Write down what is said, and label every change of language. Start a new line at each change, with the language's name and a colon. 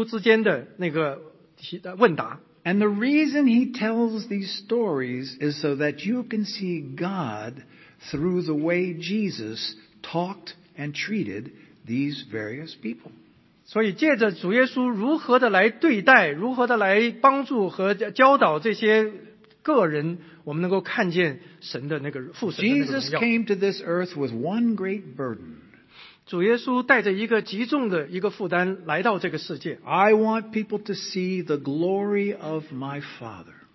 Chinese: 我们记得在约翰福音里边,他记了很多次个人跟主耶稣基督之间的那个问答。
English: And the reason he tells these stories is so that you can see God through the way Jesus talked and treated these various people.
Chinese: 所以借着主耶稣如何的来对待,如何的来帮助和教导这些个人,我们能够看见神的那个父神的那个荣耀。
English: Jesus came to this earth with one great burden.
Chinese: 主耶稣带着一个极重的一个负担来到这个世界。
English: I want people to see the glory of my Father.